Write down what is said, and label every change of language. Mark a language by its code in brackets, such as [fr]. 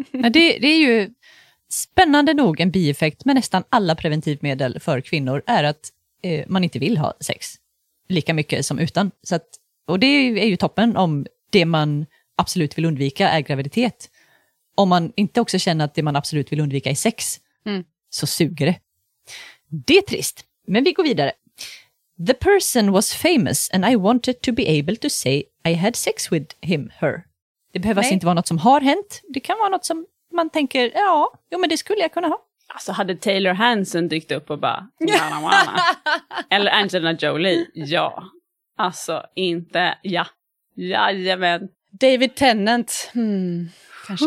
[sv] det är ju spännande nog en bieffekt med nästan alla preventivmedel för kvinnor är att man inte vill ha sex lika mycket som utan. Så att, och det är ju toppen om det man absolut vill undvika är graviditet. Om man inte också känner att det man absolut vill undvika är sex, så suger det. Det är trist, men vi går vidare. [en] The person was famous and I wanted to be able to say I had sex with him, her. [sv] Det behöver alltså inte vara något som har hänt. Det kan vara något som man tänker, ja, jo, men det skulle jag kunna ha. Alltså hade Taylor Hansen dykt upp och bara, wana, wana. Eller Angelina Jolie, ja. Alltså, inte, ja. Jajamän. David Tennant, kanske.